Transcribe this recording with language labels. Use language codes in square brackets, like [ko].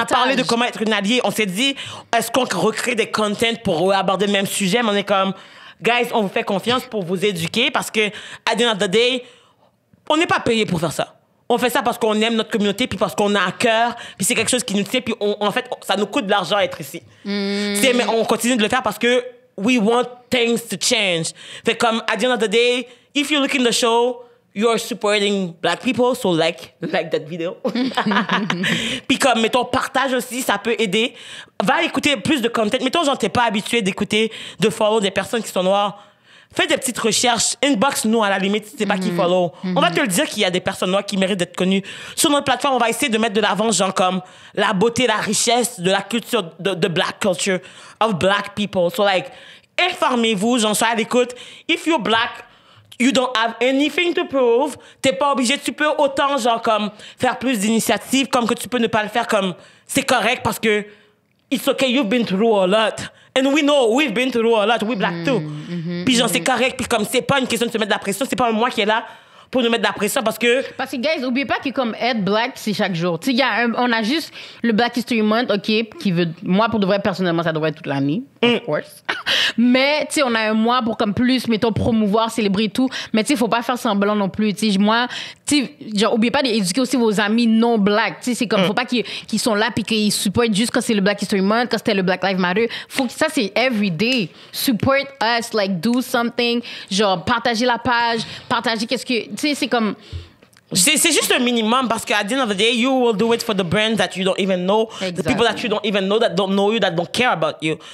[fr] On a parlé de comment être une alliée. On s'est dit, est-ce qu'on recrée des contents pour aborder le même sujet? Mais on est comme, guys, on vous fait confiance pour vous éduquer parce que, [en] at the end of the day, [fr] on n'est pas payé pour faire ça. On fait ça parce qu'on aime notre communauté, puis parce qu'on a à cœur, puis c'est quelque chose qui nous tient, puis en fait, ça nous coûte de l'argent d'être ici. Mmh. Mais on continue de le faire parce que [en] we want things to change. [fr] Fait comme, [en] at the end of the day, if you're looking the show, you're supporting black people, so like that video. [fr] Puis comme, mettons, partage aussi, ça peut aider. Va écouter plus de content. Mettons, genre, t'es pas habitué d'écouter, de follow des personnes qui sont noires. Fais des petites recherches, inbox nous à la limite, c'est pas qui follow. On va te le dire qu'il y a des personnes noires qui méritent d'être connues. Sur notre plateforme, on va essayer de mettre de l'avant, genre comme la beauté, la richesse de la culture, de [en] black culture, of black people. So like, [fr] informez-vous, genre sois à l'écoute. [en] If you're black, you don't have anything to prove, [fr] t'es pas obligé, tu peux autant genre comme faire plus d'initiatives comme que tu peux ne pas le faire comme c'est correct parce que [en] it's okay, you've been through a lot. And we know, we've been through a lot, we black too. [fr] Puis genre, c'est correct, puis comme c'est pas une question de se mettre de la pression, c'est pas moi qui est là pour nous mettre de la pression parce que... Parce que, guys, oubliez pas que comme être black, c'est chaque jour. Tu sais, on a juste le Black History Month, OK, qui veut... Moi, pour de vrai, personnellement, ça devrait être toute l'année, [en] of course. [fr] Mais, tu sais, on a un mois pour comme plus, mettons, promouvoir, célébrer tout. Mais, tu sais, faut pas faire semblant non plus. Tu sais, moi, tu sais, genre, oubliez pas d'éduquer aussi vos amis non-black. Tu sais, c'est comme, faut pas qu'ils sont là puis qu'ils supportent juste quand c'est le Black History Month, quand c'était le Black Lives Matter. Faut que ça, c'est [en] everyday. Support us, like, do something. [fr] Genre, partager la page, partager qu'est-ce que... Tu sais, c'est comme... C'est juste un minimum parce que [en] at the end of the day, you will do it for the brand that you don't even know. Exactly. The people that you don't even know, that don't know you, that don't care about you.